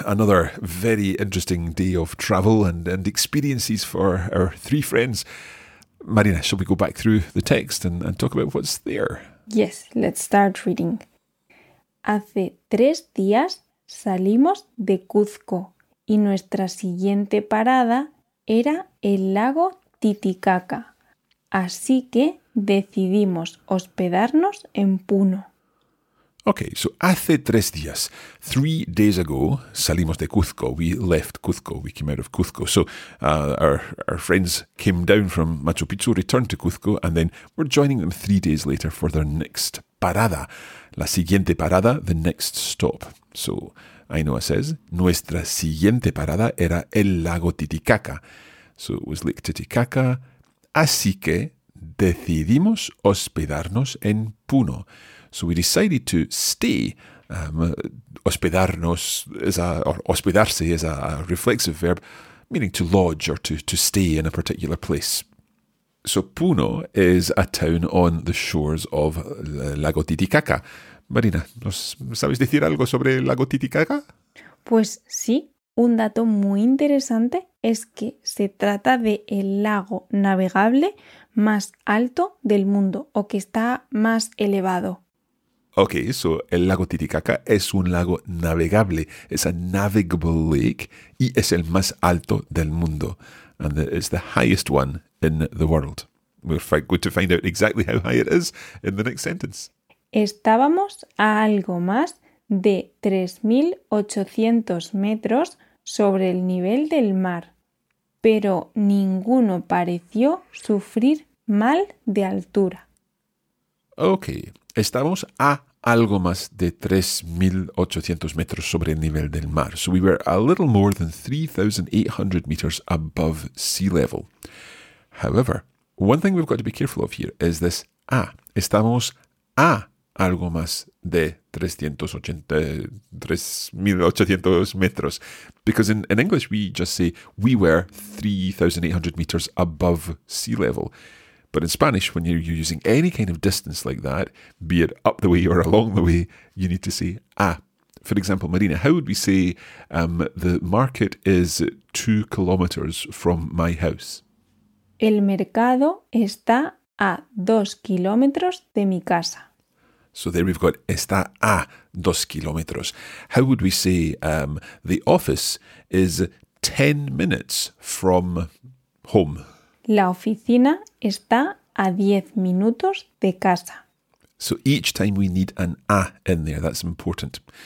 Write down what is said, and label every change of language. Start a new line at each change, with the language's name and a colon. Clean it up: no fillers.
English: Another very interesting day of travel and experiences for our three friends. Marina, shall we go back through the text and talk about what's there? Yes, let's start reading.
Spanish: Hace 3 días salimos de Cuzco y nuestra siguiente parada era el lago Titicaca. Así que decidimos hospedarnos en Puno. Okay, so hace 3 días,
English: 3 days ago,
Spanish: salimos de Cuzco.
English: We left Cuzco, we came out of Cuzco. So our friends came down from Machu Picchu, returned to Cuzco, and then we're joining them 3 days later for their next parada.
Spanish: La siguiente parada,
English: the next stop. So Ainhoa says,
Spanish: nuestra siguiente parada era el lago Titicaca.
English: So it was Lake Titicaca.
Spanish: Así que decidimos hospedarnos en Puno.
English: So we decided to stay. Hospedarnos is hospedarse is a reflexive verb, meaning to lodge or to stay in a particular place. So Puno is a town on the shores of Lago Titicaca.
Spanish: Marina, ¿nos sabes decir algo sobre Lago Titicaca? Pues sí. Un dato muy interesante es que se trata de el lago navegable más alto del mundo o que está más elevado. Ok, so el lago Titicaca es un lago navegable.
English: It's a navigable lake
Spanish: y es el más alto del mundo.
English: And it's the highest one in the world. We're going to find out exactly how high it is in the next sentence.
Spanish: Estábamos a algo más de 3.800 metros sobre el nivel del mar, pero ninguno pareció sufrir mal de altura. Ok, estábamos a algo más de 3.800 metros sobre el nivel del mar.
English: So we were a little more than 3,800 meters above sea level. However, one thing we've got to be careful of here is this a.
Spanish: Estamos a algo más de 3,800 metros.
English: Because in English we just say we were 3,800 meters above sea level. But in Spanish, when you're using any kind of distance like that, be it up the way or along the way, you need to say a. For example, Marina, how would we say the market is 2 kilometers from my house?
Spanish: El mercado está a 2 kilómetros de mi casa.
English: So there we've got
Spanish: está a 2 kilómetros.
English: How would we say the office is 10 minutes from home?
Spanish: La oficina está a 10 minutos de casa.
English: So each time we need an a in there, that's important.